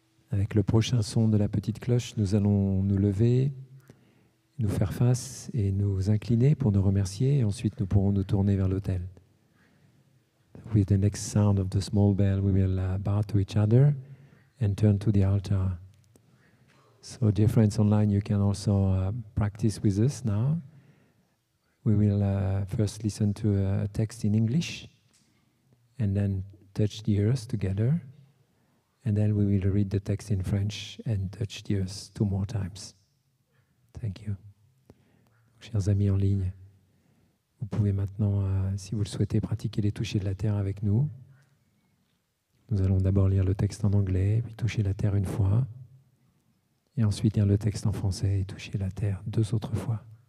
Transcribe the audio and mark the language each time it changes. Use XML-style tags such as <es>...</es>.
<fr>Avec le prochain son de la petite cloche, nous allons nous lever, nous faire face et nous incliner pour nous remercier. Et ensuite, nous pourrons nous tourner vers l'autel.</fr> <en>With the next sound of the small bell, we will bow to each other and turn to the altar. So, dear friends online, you can also practice with us now. We will first listen to a text in English and then touch the earth together. And then we will read the text in French and touch the earth two more times. Thank you.</en> <fr>Chers amis en ligne, vous pouvez maintenant, si vous le souhaitez, pratiquer les touchers de la terre avec nous. Nous allons d'abord lire le texte en anglais, puis toucher la terre une fois. Et ensuite lire le texte en français et toucher la terre deux autres fois.</fr>